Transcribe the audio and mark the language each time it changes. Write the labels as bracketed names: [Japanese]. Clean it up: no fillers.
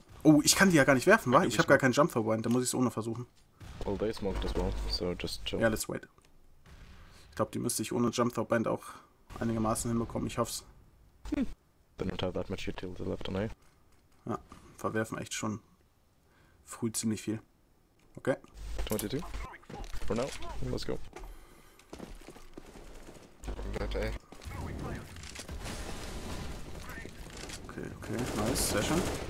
[German] Oh, ich kann die ja gar nicht werfen, wa? Ich hab gar keinen Jump vorbei, da muss ich es ohne versuchen. [English] Well, they smoked as well, so just jump. Yeah, let's wait. [German] Ich glaube, die müsste ich ohne Jump Throw Band auch einigermaßen hinbekommen. Ich hoff's. [English] They don't have that much utility left on A. [German] Ja, verwerfen echt schon früh ziemlich viel. [English] Okay. 22. For now, let's go. Okay, okay, nice, [German] sehr schön.